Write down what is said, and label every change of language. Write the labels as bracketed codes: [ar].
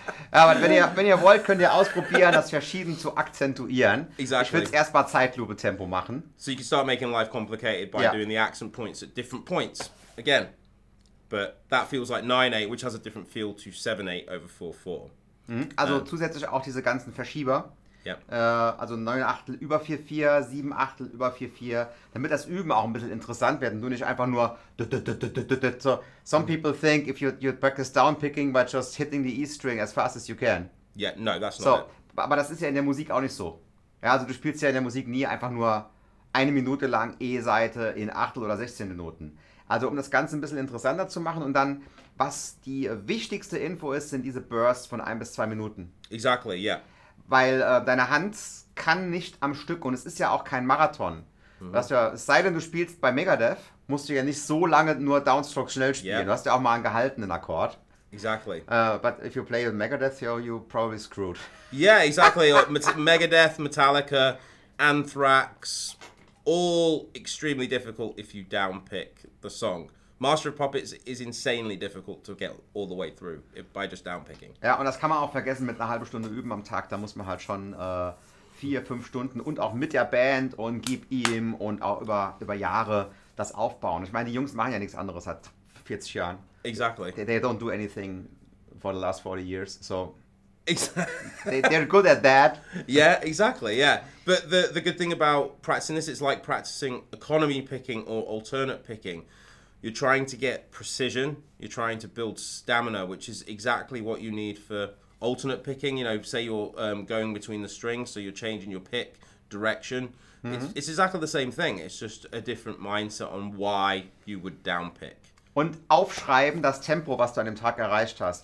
[de] Aber wenn ihr wollt, könnt ihr ausprobieren, das verschieden zu akzentuieren. [en] Exactly. [de] Ich würde es erstmal Zeitlupe-Tempo machen. [en] So you can start making life complicated by doing the accent points at different points. Again. But that feels like 9-8, which has a different feel to 7-8 over 4-4. [de] Also zusätzlich auch diese ganzen Verschieber. [en] Yeah. [de] Also 9-8 über 4-4, 7-8 über 4-4. Damit das Üben auch ein bisschen interessant wird und du nicht einfach nur... [en] So, some people think if you practice downpicking by just hitting the E string as fast as you can. Yeah, no, that's not so, it. [de] Aber das ist ja in der Musik auch nicht so. Ja, also du spielst ja in der Musik nie einfach nur eine Minute lang E-Saite in Achtel- oder 16-Noten. Also um das Ganze ein bisschen interessanter zu machen und dann, was die wichtigste Info ist, sind diese Bursts von 1 bis 2 Minuten. [en] Exactly, yeah. [de] Weil deine Hand kann nicht am Stück und es ist ja auch kein Marathon. Mhm. Was ja, es sei denn, du spielst bei Megadeth, musst du ja nicht so lange nur Downstroke schnell spielen. Yeah. Du hast ja auch mal einen gehaltenen Akkord. [en] Exactly. But if you play with Megadeth, you're probably screwed. Yeah, exactly. Megadeth, Metallica, Anthrax... All extremely difficult if you downpick the song. Master of Puppets is insanely difficult to get all the way through by just downpicking. [de] Ja, und das kann man auch vergessen mit einer halben Stunde üben am Tag. Da muss man halt schon 4-5 Stunden und auch mit der Band und gib ihm und auch über Jahre das aufbauen. Ich meine, die Jungs machen ja nichts anderes seit 40 Jahren. [en] Exactly. They don't do anything for the last 40 years, so... Exactly. They're good at that. Yeah, exactly, yeah. But the good thing about practicing this, it's like practicing economy picking or alternate picking. You're trying to get precision. You're trying to build stamina, which is exactly what you need for alternate picking. You know, say you're going between the strings, so you're changing your pick direction. Mm-hmm. It's exactly the same thing. It's just a different mindset on why you would downpick. [de] Und aufschreiben das Tempo, was du an dem Tag erreicht hast.